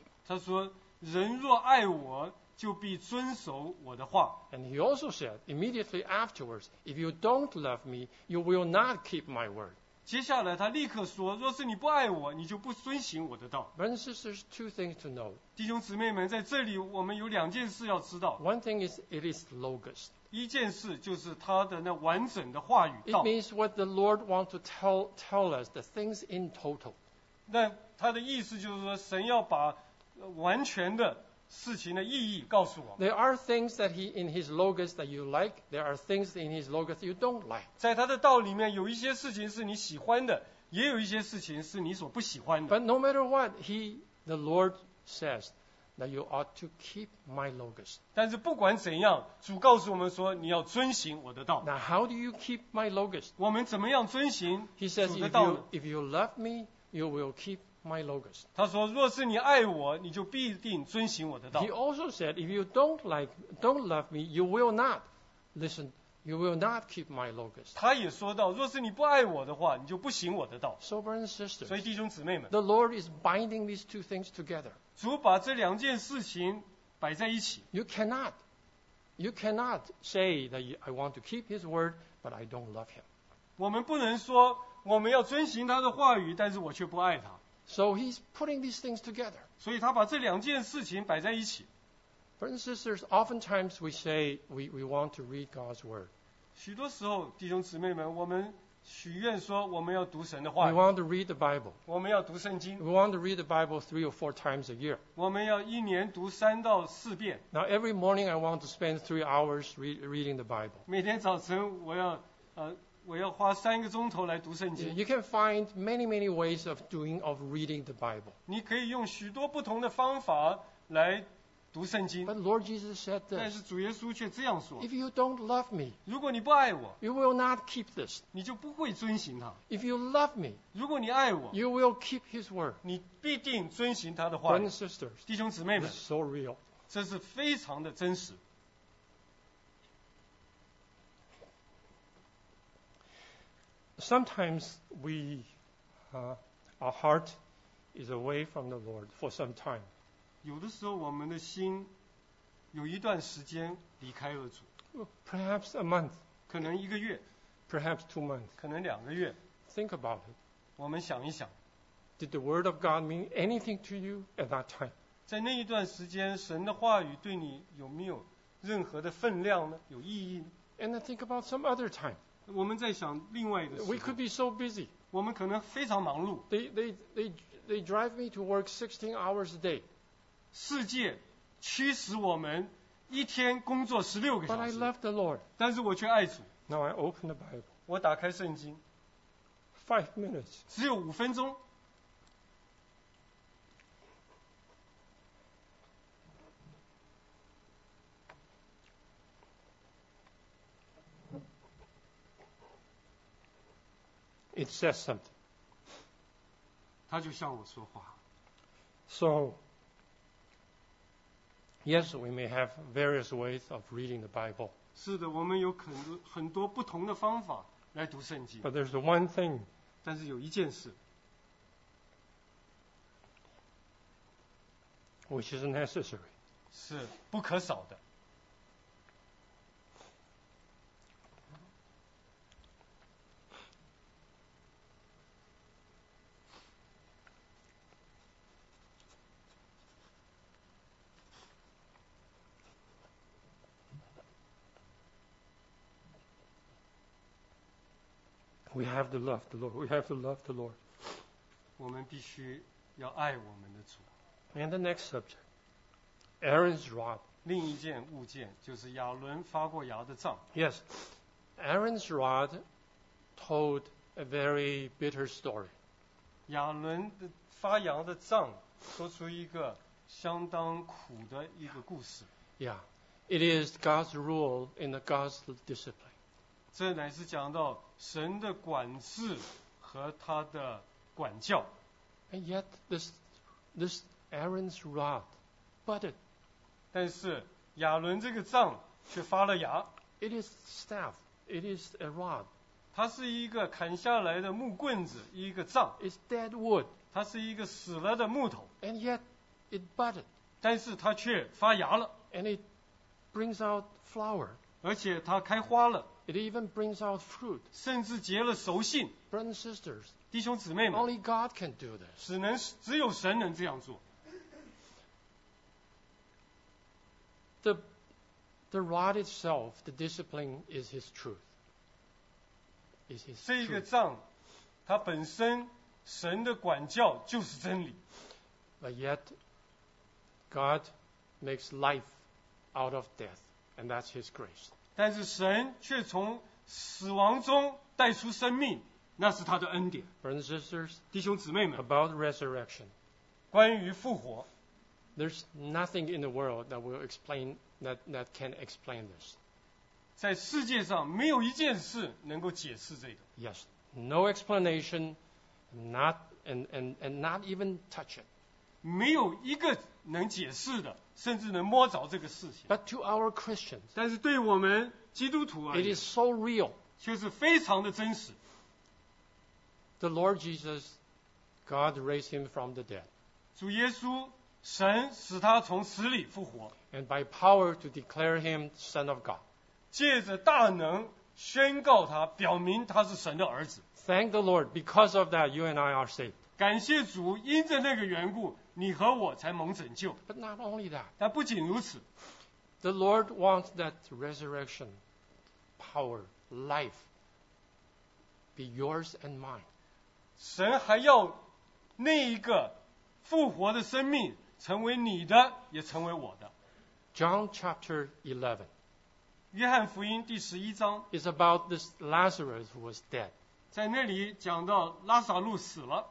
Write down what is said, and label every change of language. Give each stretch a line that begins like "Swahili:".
Chinese: 他说，人若爱我，就必遵守我的话。
English: And he also said immediately afterwards, if you don't love me, you will not keep my word.
Chinese: 接下来他立刻说，若是你不爱我，你就不遵行我的道。
English: Brothers and sisters, two things to know.
Chinese: 弟兄姊妹们，在这里我们有两件事要知道。
English: One thing is it is logos.
Chinese: 一件事就是他的那完整的话语道。
English: It means what the Lord wants to tell us, the things in total.
Chinese: 那他的意思就是说，神要把完全的事情的意义告诉我。
English: There are things that he in his logos that you like. There are things in his logos you don't like.
Chinese: 在他的道里面，有一些事情是你喜欢的，也有一些事情是你所不喜欢的。
English: But no matter what, the Lord says. That you ought to keep my logos.
Chinese: 但是不管怎样，主告诉我们说，你要遵行我的道。
English: Now how do you keep my logos?
Chinese: 我们怎么样遵行主的道呢？
English: He says, if you love me, you will keep my logos.
Chinese: 他说，若是你爱我，你就必定遵行我的道。
English: He also said, if you don't love me, you will not listen. You will not keep my logos.
Chinese: 他也说到，若是你不爱我的话，你就不行我的道。
English: So brothers and sisters,
Chinese: 所以弟兄姊妹们
English: ，The Lord is binding these two things together.
Chinese: 主把这两件事情摆在一起。
English: You cannot say that I want to keep his word, but I don't love him.
Chinese: 我们不能说我们要遵行他的话语，但是我却不爱他。
English: So he's putting these things together.
Chinese: 所以他把这两件事情摆在一起。
English: Brothers and sisters, oftentimes we say we want to read God's word.
Chinese: 许多时候，弟兄姊妹们，我们许愿说我们要读神的话语。
English: We want to read the Bible.
Chinese: 我们要读圣经。
English: We want to read the Bible 3 or 4 times a year.
Chinese: 我们要一年读3到4遍。
English: Now every morning I want to spend 3 hours reading the Bible.
Chinese: 每天早晨我要花3个钟头来读圣经。
English: You can find many many ways of reading the Bible.
Chinese: 你可以用许多不同的方法来读圣经。
English: But Lord Jesus said this.
Chinese: 但是主耶稣却这样说。
English: If you don't love me,
Chinese: 如果你不爱我，
English: you will not keep this.
Chinese: 你就不会遵行它。
English: If you love me,
Chinese: 如果你爱我，
English: you will keep His word.
Chinese: 你必定遵行他的话。
English: Brothers and sisters,
Chinese: 弟兄姊妹们，
English: so real.
Chinese: 这是非常的真实。
English: Sometimes we, our heart is away from the Lord for some time.
Chinese: 有的时候我们的心有一段时间离开了主。
English: Perhaps a month.
Chinese: 可能一个月。
English: Perhaps 2 months.
Chinese: 可能两个月。
English: Think about it.
Chinese: 我们想一想。
English: Did the word of God mean anything to you at that time?
Chinese: 在那一段时间，神的话语对你有没有任何的分量呢？有意义呢？
English: And then think about some other time.
Chinese: 我们在想另外一个事。
English: We could be so busy.
Chinese: 我们可能非常忙碌。
English: They drive me to work 16 hours a day.
Chinese: 世界驱使我们一天工作16个小时。
English: But I love the Lord.
Chinese: 但是我却爱主。
English: Now I open the Bible.
Chinese: 我打开圣经。
English: 5 minutes.
Chinese: 只有五分钟。
English: It says something.
Chinese: 他就向我说话。
English: So, yes, we may have various ways of reading the Bible.
Chinese: 是的，我们有很多不同的方法来读圣经。
English: But there's one thing.
Chinese: 但是有一件事。
English: Which is necessary.
Chinese: 是不可少的。
English: We have to love the Lord. We have to love the Lord.
Chinese: 我们必须要爱我们的主。
English: And the next subject, Aaron's rod.
Chinese: 另一件物件就是亚伦发过芽的杖。
English: Yes, Aaron's rod told a very bitter story.
Chinese: 亚伦的发芽的杖说出一个相当苦的一个故事。
English: Yeah, it is God's rule in the God's discipline.
Chinese: 这乃是讲到神的管制和他的管教。
English: And yet this Aaron's rod budded.
Chinese: 但是亚伦这个杖却发了芽。
English: It is staff. It is a rod.
Chinese: 它是一个砍下来的木棍子，一个杖。
English: It's dead wood.
Chinese: 它是一个死了的木头。
English: And yet it budded.
Chinese: 但是它却发芽了。
English: And it brings out flower.
Chinese: 而且它开花了。
English: It even brings out fruit.
Chinese: 甚至结了熟杏。
English: Brothers and sisters,
Chinese: 弟兄姊妹们，
English: only God can do this.
Chinese: 只有神能这样做。
English: The rod itself, the discipline is His truth. Is His truth.
Chinese: 这一个杖，它本身神的管教就是真理。
English: But yet, God makes life out of death, and that's His grace.
Chinese: 但是神却从死亡中带出生命，那是他的恩典。
English: Brothers and sisters,
Chinese: 弟兄姊妹们，
English: about resurrection,
Chinese: 关于复活，
English: there's nothing in the world that will explain that can explain this.
Chinese: 在世界上没有一件事能够解释这个。
English: Yes, no explanation, not even touch it.
Chinese: 没有一个能解释的。甚至能摸着这个事情。
English: But to our Christians,
Chinese: 但是对我们基督徒而言，
English: it is so real,
Chinese: 却是非常的真实。
English: The Lord Jesus, God raised him from the dead.
Chinese: 主耶稣，神使他从死里复活。
English: And by power to declare him Son of God.
Chinese: 借着大能宣告他，表明他是神的儿子。
English: Thank the Lord, because of that, you and I are saved.
Chinese: 感谢主，因着那个缘故。你和我才蒙拯救。
English: But not only that.
Chinese: 但不仅如此。
English: The Lord wants that resurrection power, life, be yours and mine.
Chinese: 神还要那一个复活的生命成为你的，也成为我的。
English: John chapter 11.
Chinese: 约翰福音第十一章。
English: Is about this Lazarus who was dead.
Chinese: 在那里讲到拉撒路死了。